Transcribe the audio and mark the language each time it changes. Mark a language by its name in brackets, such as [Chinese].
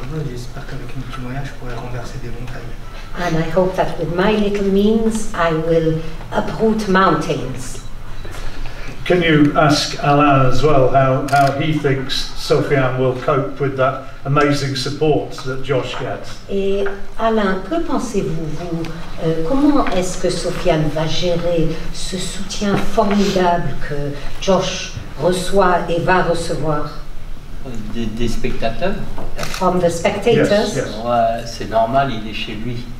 [French] J'espère qu'avec mes petits moyens, je pourrai renverser des montagnes. [English] And I hope that with my little means, I will uproot mountains. Can you ask Alain as well how he thinks Sofiane will cope with that amazing support that Josh gets? [French] Et Alain, que pensez-vous, vous, comment est-ce que Sofiane va gérer ce soutien formidable que Josh reçoit et va recevoir? Des spectateurs. [English] From the spectators. Yes, yes. [French] Ouais, c'est normal, il est chez lui.